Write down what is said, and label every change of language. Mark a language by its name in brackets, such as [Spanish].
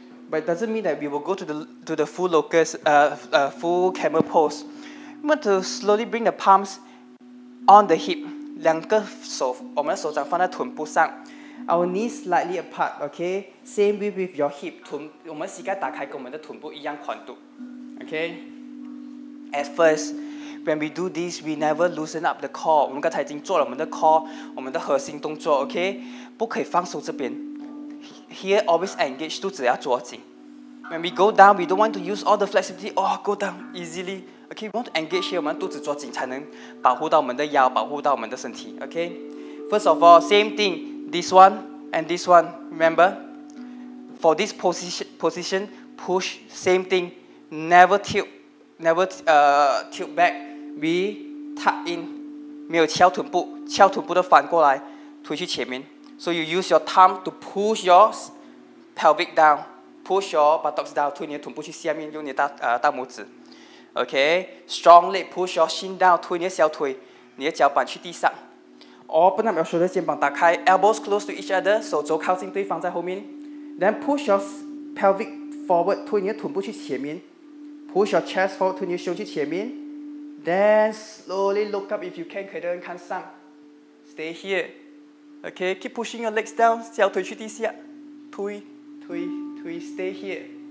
[English] But it doesn't mean that we will go to the full locus, full camel pose. We want to slowly bring the palms on the hip. [Chinese] 两个手，我们的手掌放在臀部上。 [English] Our knees slightly apart, okay? Same way with your hip. [Chinese] 臀，我们膝盖打开跟我们的臀部一样宽度。 [English] Okay, at first, when we do this, we never loosen up the core. [Chinese] 我们刚才已经做了我们的 core, 我们的核心动作 okay? 不可以放松这边。 Here, always engage, 肚子要抓紧。 [English] When we go down, we don't want to use all the flexibility, oh, go down easily. Okay, we want to engage here, [Chinese] 我们肚子抓紧才能保护到我们的腰，保护到我们的身体 okay? [English] First of all, same thing, this one and this one, remember? For this position, push, same thing. Never tilt back. We tuck in. [Chinese] 没有翘臀部，翘臀部的反过来推去前面。 [English] So you use your thumb to push your pelvic down, push your buttocks down. [Chinese] 推你的臀部去下面，用你的大拇指。 [English] Okay, strong leg. Push your shin down. [Chinese] 推你的小腿，你的脚板去地上。 [English] Open up your shoulder, [Chinese] 肩膀打开 [English] ，elbows close to each other. [Chinese] 手肘靠近对方在后面。 [English] Then push your pelvic. Forward, [Chinese] 推你的臀部去前面 [English] Push your chest forward, [Chinese] 推你的胸去前面 [English] Then slowly look up if you can, [Chinese] 可以的人看上 [English] Stay here Okay, keep pushing your legs down, [Chinese] 小腿去地下推推推 [English] stay here